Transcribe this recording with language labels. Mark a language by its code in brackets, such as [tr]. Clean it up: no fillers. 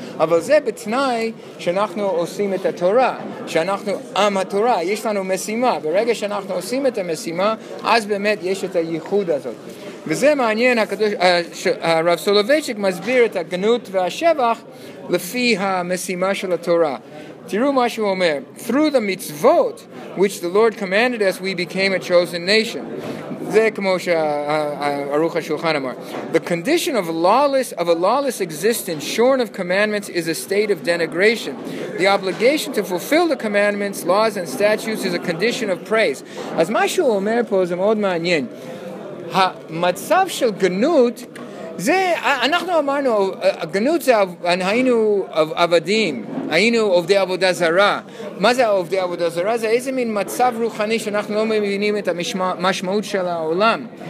[he] אבל זה בתנאי שאנחנו עושים את התורה, שאנחנו עם התורה, יש לנו משימה. ברגע שאנחנו עושים את המשימה, אז באמת יש את הייחוד הזאת. וזה מעניין, הרב סולובייצ'יק מסביר את הגנות והשבח לפי המשימה של התורה. תראו מה שהוא אומר. [en] Through the mitzvot which the Lord commanded us, we became a chosen nation. [he] זה כמו שערוך השולחן אמר. [en] The condition of a lawless existence shorn of commandments is a state of denigration. The obligation to fulfill the commandments, laws and statutes is a condition of praise. [he] אז מה שהוא אומר פה זה מאוד מעניין. המצב של גנות זה, אנחנו אמרנו, הגנות זה, היינו עבדים, היינו עובדי עבודה זרה. מה זה עובדי עבודה זרה? זה איזה מין מצב רוחני שאנחנו לא מבינים את המשמעות של העולם.